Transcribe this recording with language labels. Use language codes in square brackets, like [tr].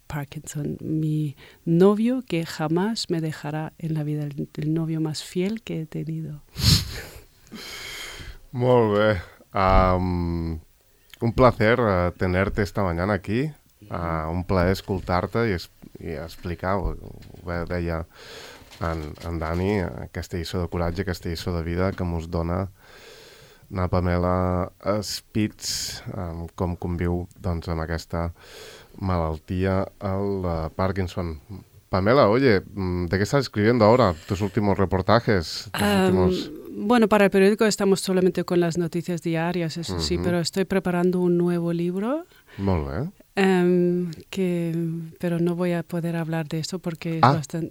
[es] Parkinson, mi novio que jamás me dejará en la vida, el novio más fiel que he tenido. Muy bien. Un placer tenerte esta mañana aquí. Un placer escucharte y explicar, [ca] ho deia en Dani, aquesta lliçó de coratge, aquesta lliçó de vida que mos dona na Pamela Spitz, com conviu doncs amb aquesta malaltia al Parkinson. [es] Pamela, oye, ¿de qué estás escribiendo ahora? ¿Tus últimos reportajes? Bueno, para el periódico estamos solamente con las noticias diarias, eso sí, pero estoy preparando un nuevo libro. Muy bien. Pero no voy a poder hablar de eso porque es bastante...